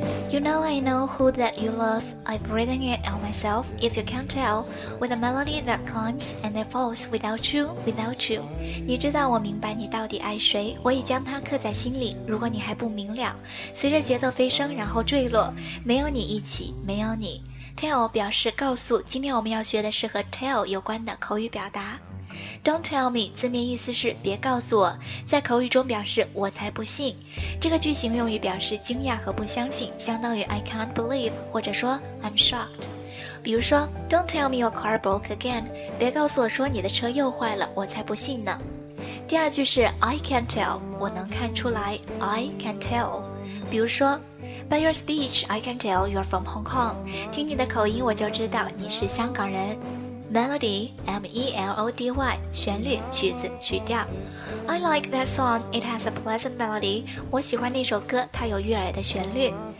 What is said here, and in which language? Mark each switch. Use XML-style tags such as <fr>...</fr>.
<en>You know I know who that you love, I've written it on myself, if you can't tell, with a melody that climbs and then falls without you, without you.</en> <zh>你知道我明白你到底爱谁，我已将它刻在心里，如果你还不明了，随着节奏飞升然后坠落，没有你一起，没有你。 Tell 表示告诉，今天我们要学的是和 tell 有关的口语表达。</zh> <en>Don't tell me，</en> <zh>字面意思是别告诉我，在口语中表示我才不信。这个句型用于表示惊讶和不相信，相当于</zh> <en>I can't believe，</en> <zh>或者说</zh> <en>I'm shocked。</en> <zh>比如说</zh> <en>Don't tell me your car broke again，</en> <zh>别告诉我说你的车又坏了，我才不信呢。第二句是</zh> <en>I can tell，</en> <zh>我能看出来， I can tell。比如说</zh> <en>By your speech I can tell you're from Hong Kong，</en> <zh>听你的口音我就知道你是香港人。 Melody, M-E-L-O-D-Y, 旋律、曲子、曲调。</zh> <en>I like that song, it has a pleasant melody.</en> <zh>我喜欢那首歌，它有悦耳的旋律。</zh>